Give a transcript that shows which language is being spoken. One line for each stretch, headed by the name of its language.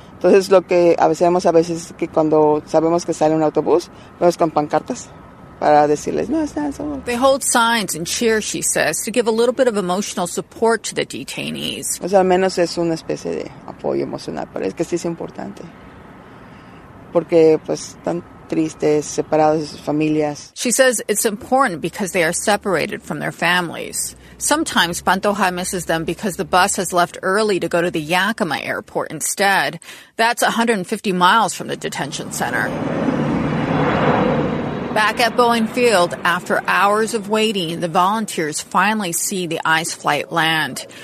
Spanish: Entonces, lo que hacemos a veces es que cuando sabemos que sale un autobús, vamos con pancartas. Para decirles, no,
English: it's not. They hold signs and cheer, she says, to give a little bit of emotional support to the detainees.
Spanish: O sea, al menos es una especie de apoyo emocional, pero es que sí es importante. Porque, pues, están tristes, separados de sus familias.
English: She says it's important because they are separated from their families. Sometimes Pantoja misses them because the bus has left early to go to the Yakima airport instead. That's 150 miles from the detention center. Back at Boeing Field, after hours of waiting, the volunteers finally see the ICE flight land.